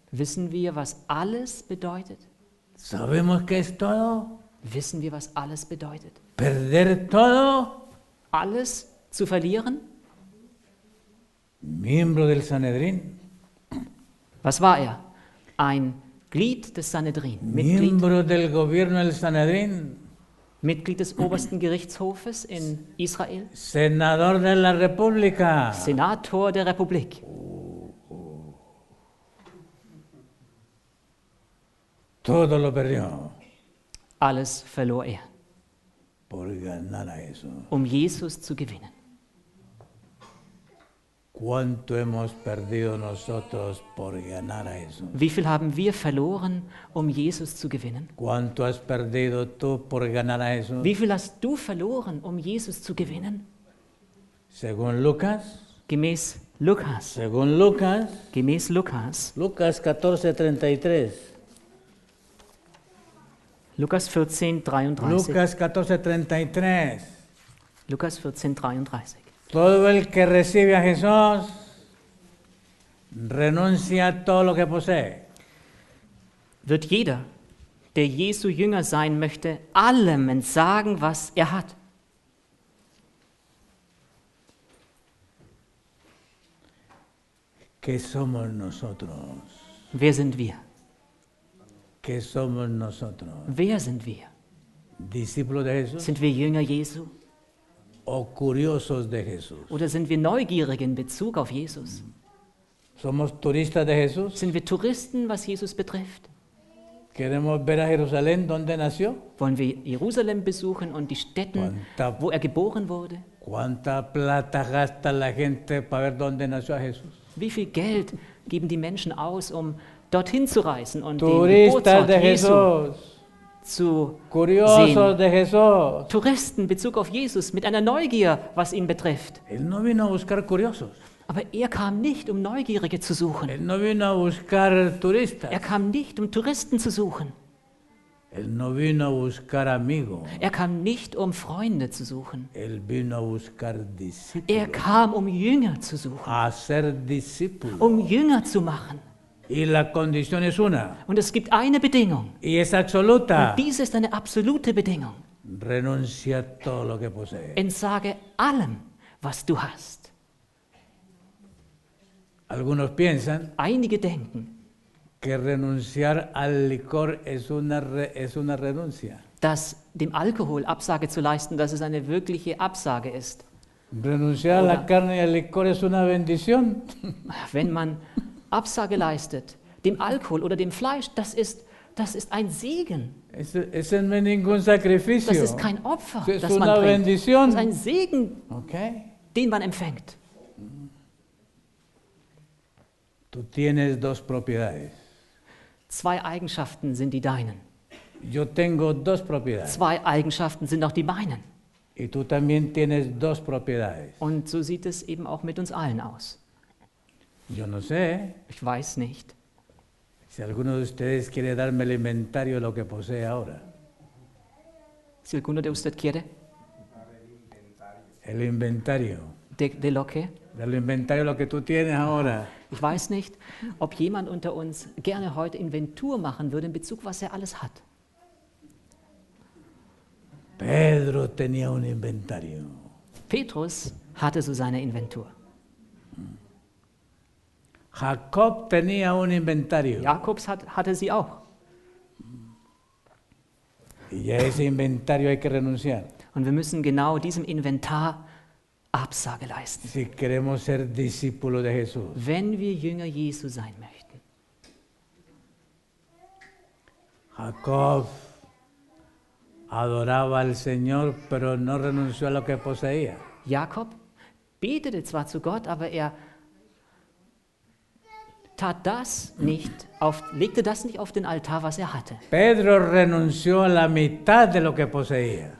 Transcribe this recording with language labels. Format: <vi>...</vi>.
<de>Wissen wir, was alles bedeutet?</de> <es>Sabemos que es todo.</es> <de>Wissen wir, was alles bedeutet?</de> <es>Perder todo?</es> <de>Alles zu verlieren?</de> <es>Miembro del Sanhedrin?</es> <de>Was war er? Ein Glied des Sanhedrin.</de> <es>Miembro del gobierno del Sanhedrin?</es> <de>Mitglied des obersten Gerichtshofes in Israel?</de> <es>Senador de la República?</es> <de>Senator der Republik.</de> <es>Todo lo perdió.</es> <de>Alles verlor er,</de> <es>por ganar a Jesús.</es> <de>Um Jesus zu gewinnen.</de> <es>¿Cuánto hemos perdido nosotros por ganar a Jesús?</es> <de>Wie viel haben wir verloren, um Jesus zu gewinnen?</de> <es>¿Cuánto has perdido tú por ganar a Jesús?</es> <de>Wie viel hast du verloren, um Jesus zu gewinnen?</de> <es>Según Lucas,</es> <de>gemäß Lukas,</de> <es>según Lucas,</es> <de>gemäß Lukas,</de> <es>Lucas 14:33.</es> <de>Lukas 14, 33. Lukas 14, 33. Lukas 14, 33.</de> <es>Todo el que recibe a Jesús renuncia a todo lo que posee.</es> <de>Wird jeder, der Jesu Jünger sein möchte, allem entsagen, was er hat.</de> <es>¿Qué somos nosotros?</es> <de>Wer sind wir?</de> <es>¿Qué somos nosotros?</es> <de>Wer sind wir?</de> <es>Discípulos de Jesús?</es> <de>Sind wir Jünger Jesu?</de> <es>O curiosos de Jesús?</es> <de>Oder sind wir neugierig in Bezug auf Jesus?</de> <es>Somos turistas de Jesús?</es> <de>Sind wir Touristen, was Jesus betrifft?</de> <es>Queremos ver a Jerusalén donde nació?</es> <de>Wollen wir Jerusalem besuchen und die Städten, wo er geboren wurde?</de> <es>¿Cuánta plata gasta la gente para ver dónde nació Jesús?</es> <de>Wie viel Geld geben die Menschen aus, um dorthin zu reisen und</de> <es>Turista</es> <de>den Geburtsort Jesu</de> <es>de Jesús.</es> <de>Zu sehen? Touristen in Bezug auf Jesus, mit einer Neugier, was ihn betrifft.</de> <es>Él no vino a buscar curiosos.</es> <de>Aber er kam nicht, um Neugierige zu suchen.</de> <es>Él no vino a buscar turistas.</es> <de>Er kam nicht, um Touristen zu suchen.</de> <es>Él no vino a buscar amigo.</es> <de>Er kam nicht, um Freunde zu suchen.</de> <es>Él vino a buscar discípulos.</es> <de>Er kam, um Jünger zu suchen.</de> <es>A ser discípulo.</es> <de>Um Jünger zu machen.</de> <es>Y la condición es una.</es> <de>Und es gibt eine Bedingung.</de> <es>Y es absoluta.</es> <de>Und dies ist eine absolute Bedingung.</de> <es>Renuncia todo lo que posee.</es> <de>Entsage allem, was du hast.</de> <es>Algunos piensan.</es> <de>Einige denken.</de> <es>Que renunciar al licor es una renuncia.</es> <de>Dass dem Alkohol Absage zu leisten, dass es eine wirkliche Absage ist.</de> <es>Renunciar a la carne y al licor es una bendición.</es> <de>Wenn man Absage leistet, dem Alkohol oder dem Fleisch, das ist ein Segen.</de> <es>Eso no es ningún sacrificio.</es> <de>Das ist kein Opfer, es das man bringt.</de> <es>Bendición.</es> <de>Das ist ein Segen, okay, den man empfängt.</de> <es>Tú tienes dos propiedades.</es> <de>Zwei Eigenschaften sind die deinen.</de> <es>Yo tengo dos propiedades.</es> <de>Zwei Eigenschaften sind auch die meinen.</de> <es>Y tú también tienes dos propiedades.</es> <de>Und so sieht es eben auch mit uns allen aus.</de> <es>Yo no sé.</es> <de>Ich weiß nicht.</de> <es>Si alguno de ustedes quiere darme el inventario de lo que posee ahora. Si alguno de usted quiere. El inventario. De lo que. Del inventario lo que tú tienes ahora.</es> <de>Ich weiß nicht, ob jemand unter uns gerne heute Inventur machen würde in Bezug, was er alles hat.</de> <es>Pedro tenía un inventario.</es> <de>Petrus hatte so seine Inventur.</de> <es>Jacob tenía un inventario.</es> <de>Jakobs hatte sie auch.</de> <es>Y a ese inventario hay que renunciar.</es> <de>Und wir müssen genau diesem Inventar Absage leisten.</de> <es>Si queremos ser discípulo de Jesús.</es> <de>Wenn wir Jünger Jesu sein möchten.</de> <es>Jacob adoraba al Señor, pero no renunció a lo que poseía.</es> <de>Jakob betete zwar zu Gott, aber er tat das nicht auf, legte das nicht auf den Altar, was er hatte.</de> <es>Pedro renunció a la mitad de lo que poseía.</es>